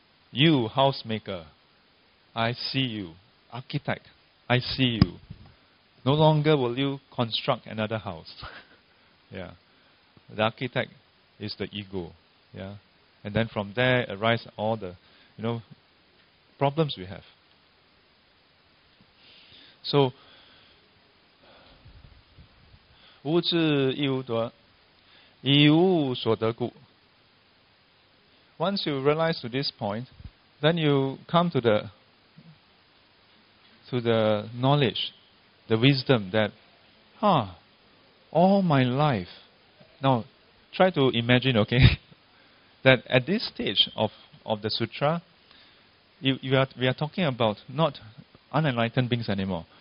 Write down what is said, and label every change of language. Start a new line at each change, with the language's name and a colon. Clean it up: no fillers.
English: You, housemaker, I see you. Architect, I see you. No longer will you construct another house. Yeah. The architect is the ego. Yeah. And then from there arise all the, you know, problems we have.
Chinese: So, 无智亦无得，以无所得故.
English: Once you realize to this point, then you come to the knowledge, the wisdom that, huh, all my life. Now, try to imagine, okay, that at this stage of the sutra, we are talking about not unenlightened beings anymore.